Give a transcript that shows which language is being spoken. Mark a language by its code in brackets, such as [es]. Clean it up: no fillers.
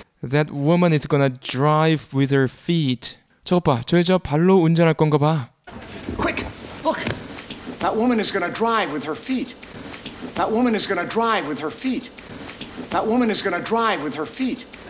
[en] That woman is gonna drive with her feet. [ko] 저거 봐, 저 여자 발로 운전할 건가 봐. [en] Quick, look. That woman is gonna drive with her feet. That woman is gonna drive with her feet. That woman is gonna drive with her feet.